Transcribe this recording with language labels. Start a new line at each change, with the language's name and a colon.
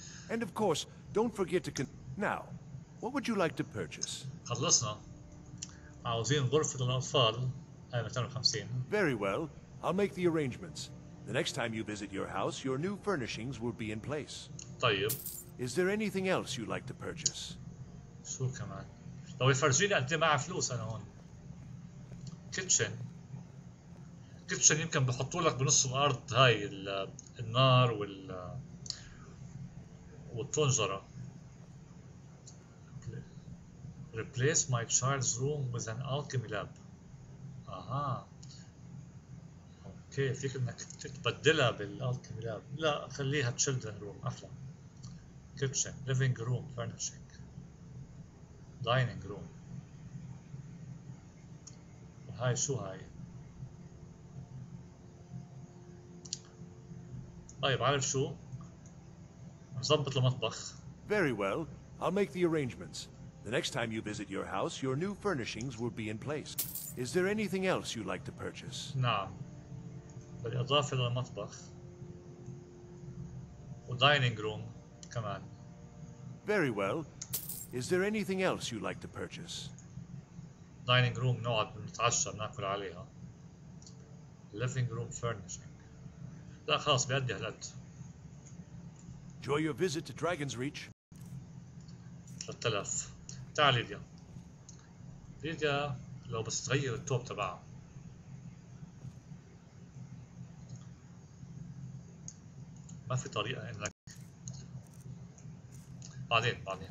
English: And of course, don't forget to Now, what would you like to purchase?
Arabic: خلصنا. عاوزين غرفة للأطفال. هاي 250.
English: Very well. I'll make the arrangements. The next time you visit your house, your new furnishings will be in place.
Arabic: طيب.
English: Is there anything else you'd like to purchase?
Arabic: شو كمان؟ لو يفرجيني قد ايه معي فلوس انا هون. كيتشن. كيتشن يمكن بحطوا لك بنص الارض هاي النار والطنجرة.
English: Replace my child's room with an alchemy lab. اها.
Arabic: اوكي فيك انك تبدلها بالالكيمي لاب. لا خليها
English: children room
Arabic: احلى.
English: Kitchen. Living room. Furnishing. Dining room.
Arabic: هاي شو هاي؟ طيب عارف شو؟ نظبط المطبخ.
English: Very well. I'll make the arrangements. The next time you visit your house, your new furnishings will be in place. Is there anything else you'd like to purchase?
Arabic: نعم. بدي أضاف إلى المطبخ.
English: وديننج روم
Arabic: كمان.
English: Very well. Is there anything else you'd like to purchase? Dining room
Arabic: نقعد نتعشى ناكل عليها.
English: Living room furnishing.
Arabic: لا خلاص بيأدي هلأت. Enjoy your visit to Dragon's Reach. 3000. تعال ليديا. ليديا لو بس تغير التوب تبعها. ما في طريقة انك بعدين.